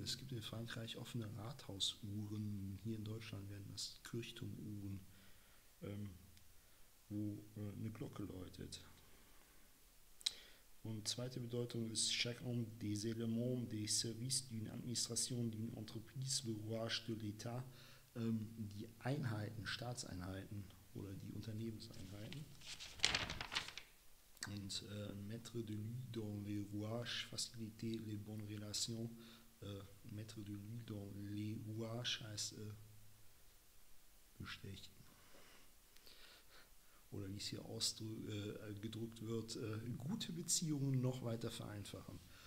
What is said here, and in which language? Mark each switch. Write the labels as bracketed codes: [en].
[de] Es gibt in Frankreich offene Rathausuhren, hier in Deutschland werden das Kirchturmuhren, wo eine Glocke läutet. Und zweite Bedeutung ist: [fr] chacun des éléments des services d'une administration, d'une entreprise, le rouage de l'État, [de] die Einheiten, Staatseinheiten oder die Unternehmenseinheiten. Und [fr] Maître de l'huile dans les rouages, faciliter les bonnes relations. Maître de l'huile dans les rouages [de] heißt bestechen. Oder wie es hier ausgedrückt wird, gute Beziehungen noch weiter vereinfachen.